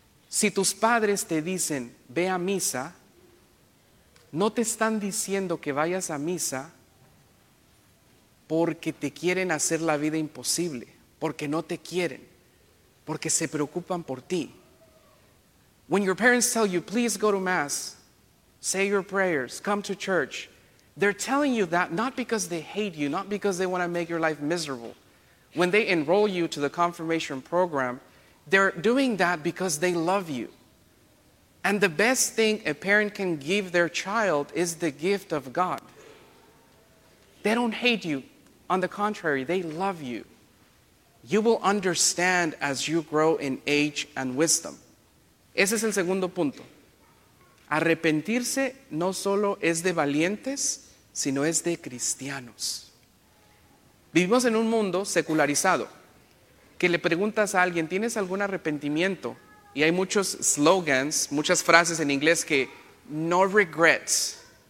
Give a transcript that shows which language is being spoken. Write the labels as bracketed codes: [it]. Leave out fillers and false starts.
[es] Si tus padres te dicen, ve a misa, no te están diciendo que vayas a misa porque te quieren hacer la vida imposible, porque no te quieren, porque se preocupan por ti. [en] When your parents tell you, please go to mass, say your prayers, come to church, they're telling you that not because they hate you, not because they want to make your life miserable. When they enroll you to the confirmation program, they're doing that because they love you. And the best thing a parent can give their child is the gift of God. They don't hate you. On the contrary, they love you. You will understand as you grow in age and wisdom. [es] Ese es el segundo punto. Arrepentirse no solo es de valientes, sino es de cristianos. Vivimos en un mundo secularizado que le preguntas a alguien, ¿tienes algún arrepentimiento? Y hay muchos slogans, muchas frases en inglés que [en] no regrets.